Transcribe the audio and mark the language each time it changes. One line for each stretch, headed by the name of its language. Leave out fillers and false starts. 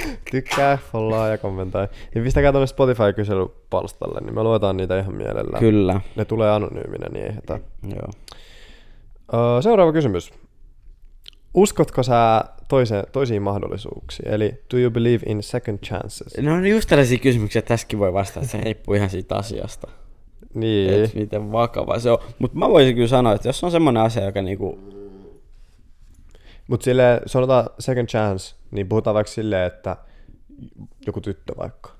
Finnish: Tykkää, follaa ja kommentoi. Niin pistäkää tonne Spotify-kyselypalstalle, niin me luetaan niitä ihan mielellään. Kyllä. Ne tulee anonyyminä, niin ei hetä. Joo. Seuraava kysymys. Uskotko sä toisiin mahdollisuuksiin?
English: Eli do you believe in second chances?
Finnish: No on just tällaisia kysymyksiä, että tässäkin voi vastata. Se riippuu ihan siitä asiasta. Niin. Että miten vakava se on. Mutta mä voisin kyllä sanoa, että jos on semmoinen asia, joka niinku... Mutta silleen, sanotaan second chance, niin puhutaan vaikka silleen, että joku tyttö vaikka.